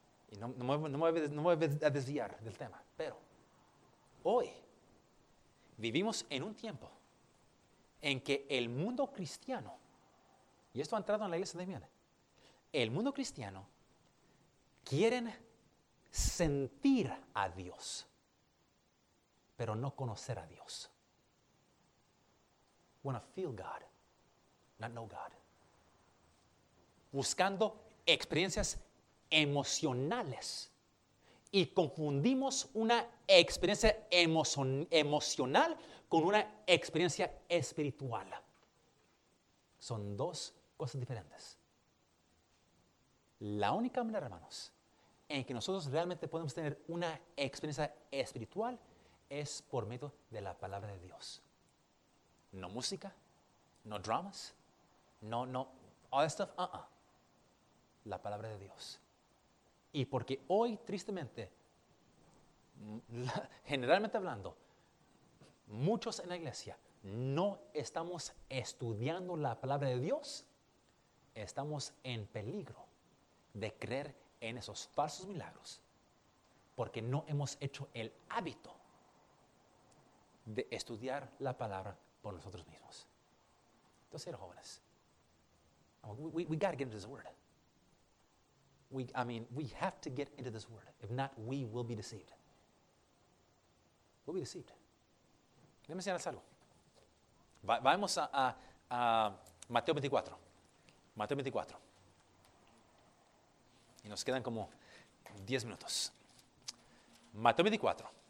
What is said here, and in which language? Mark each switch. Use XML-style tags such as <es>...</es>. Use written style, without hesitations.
<es>Y no me voy a desviar del tema, pero hoy vivimos en un tiempo en que el mundo cristiano, y esto ha entrado en la iglesia de Miami, el mundo cristiano quieren sentir a Dios, pero no conocer a Dios.</es> <en>Want to feel God, not know God.</en> <es>Buscando experiencias emocionales. Y confundimos una experiencia emocional con una experiencia espiritual. Son dos cosas diferentes. La única manera, hermanos, en que nosotros realmente podemos tener una experiencia espiritual es por medio de la palabra de Dios. No música, no dramas, no</es> <en>all that stuff,</en> <es>La palabra de Dios. Y porque hoy, tristemente, generalmente hablando, muchos en la iglesia no estamos estudiando la palabra de Dios, estamos en peligro de creer en esos falsos milagros porque no hemos hecho el hábito de estudiar la palabra por nosotros mismos. Entonces, jóvenes,</es> <en>we got to get into this word. We have to get into this word. If not, we will be deceived. We'll be deceived.</en> <es>Déjame enseñarles algo. Vamos a Mateo 24. Mateo 24. Y nos quedan como 10 minutos. Mateo 24.</es>